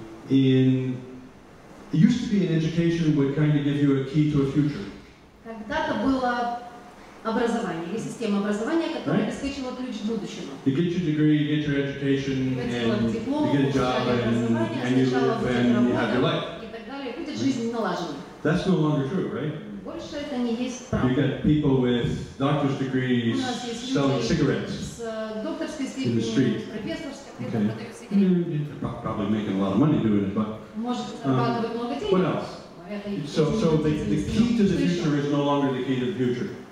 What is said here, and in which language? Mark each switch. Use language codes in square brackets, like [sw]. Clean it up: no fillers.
[en] It used to be an education would kind of give you a key to a future. [ru] Когда-то было образование или система образования, которая обеспечивала ключ к будущему. [en] You get your degree, you get your education, and you get a job, and you live, and you have your life. [ru] И так далее, будет жизнь налажена. [en] That's no longer true, right? [ru] Больше это не есть правда. [en] You got people with doctor's degrees selling cigarettes in the street. Okay. You're probably making a lot of money doing it, but what else? So the key to the future is no longer the key to the future.